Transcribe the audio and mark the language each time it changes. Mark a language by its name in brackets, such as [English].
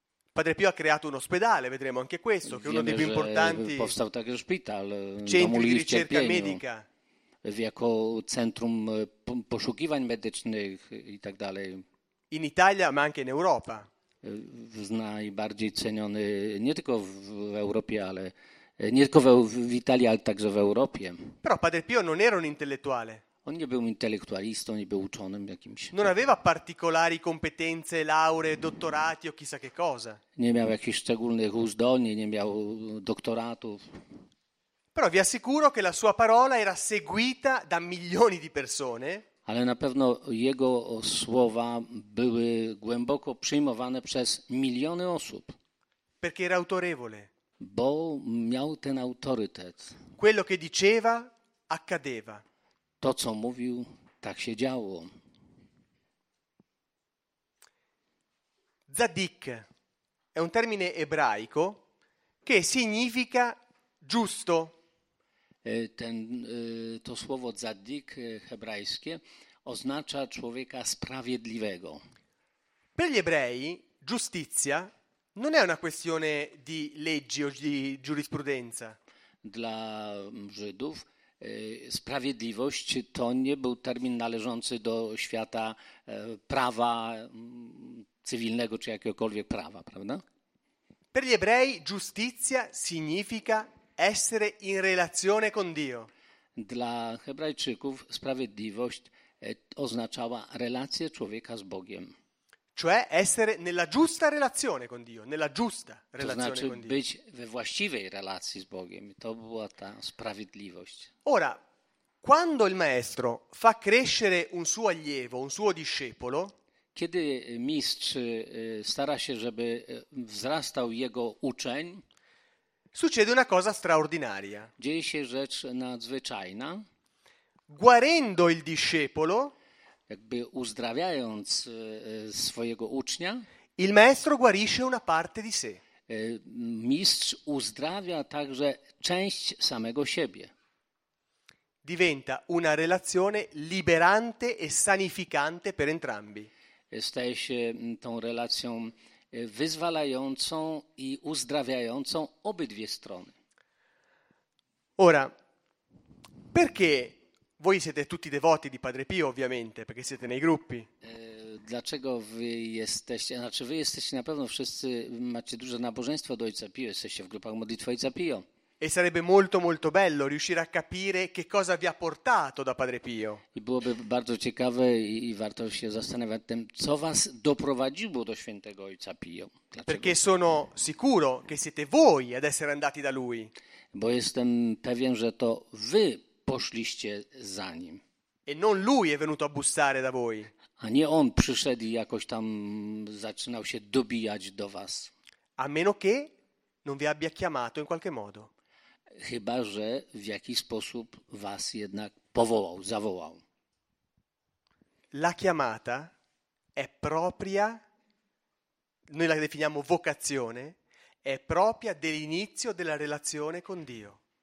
[Italian] Padre Pio ha creato un ospedale, vedremo anche questo, che è uno dei più importanti [Polish] powstał taki szpital, [Italian] centri di ricerca medica. [Polish] Jako centrum poszukiwań medycznych i tak dalej. [Italian] In Italia, ma anche in Europa. [Polish] Najbardziej ceniony nie tylko w Europie, ale nie tylko w Italii, ale także w Europie. [Italian] Però Padre Pio non era un intellettuale. [Polish] On nie był intelektualistą, nie był uczonym jakimś. [Italian] Non aveva particolari competenze, lauree, dottorati o chissà che cosa. [Polish] Nie miał jakichś szczególnych uzdolnień, nie miał doktoratów. [Italian] Però vi assicuro che la sua parola era seguita da milioni di persone. [Polish] Ale na pewno jego słowa były głęboko przyjmowane przez miliony osób. [Italian] Perché era autorevole. [Polish] Bo miał ten autorytet. [Italian] Quello che diceva accadeva. [Polish] To, co mówił, tak się działo. [Italian] Zadik è un termine ebraico che significa giusto. [Polish] To słowo zadik hebrajskie oznacza człowieka sprawiedliwego. [Italian] Per gli ebrei giustizia non è una questione di leggi o di giurisprudenza. [Polish] Dla Żydów sprawiedliwość to nie był termin należący do świata prawa cywilnego czy jakiegokolwiek prawa, prawda? [Italian] Per gli ebrei giustizia significa essere in relazione con Dio. [Polish] Dla hebrajczyków sprawiedliwość oznaczała relację człowieka z Bogiem. [Italian] Cioè essere nella giusta relazione con Dio, nella giusta relazione, [Polish] to znaczy [Italian] con Dio. [Polish] Być we właściwej relacji z Bogiem. To była ta sprawiedliwość. [Italian] Ora, quando il maestro fa crescere un suo allievo, un suo discepolo, [Polish] kiedy mistrz stara się, żeby wzrastał jego uczeń, [Italian] succede una cosa straordinaria. [Polish] Dzieje się rzecz nadzwyczajna. [Italian] Guarendo il discepolo, [Polish] jakby uzdrawiając swojego ucznia, [Italian] il maestro guarisce una parte di sé. [Polish] Mistrz uzdrawia także część samego siebie. [Italian] Diventa una relazione liberante e sanificante per entrambi. [Polish] Staje się tą relacją wyzwalającą i uzdrawiającą obydwie strony. [Italian] Ora, perché Voi siete tutti devoti di Padre Pio, ovviamente, perché siete nei gruppi. [Polish] Dlaczego wy jesteście, znaczy wy jesteście na pewno wszyscy, macie duże nabożeństwo do Ojca Pio, jesteście w grupach modlitwy Ojca Pio. [Italian] E sarebbe molto molto bello riuscire a capire che cosa vi ha portato da Padre Pio. [Polish] I byłoby bardzo ciekawe i warto się zastanawiać tym, co was doprowadziło do świętego Ojca Pio. Dlaczego? [Italian] Perché sono sicuro che siete voi ad essere andati da lui. [Polish] Bo jestem pewien, że to wy poszliście za nim. [Italian] E non lui è venuto a bussare da voi. [Polish] A nie on przyszedł i jakoś tam zaczynał się dobijać do was. [Italian] A meno che non vi abbia chiamato in qualche modo. [Polish] Chyba, że w jakiś sposób was jednak powołał, zawołał. [Italian] La chiamata è propria, noi la definiamo vocazione, è propria dell'inizio della relazione con Dio.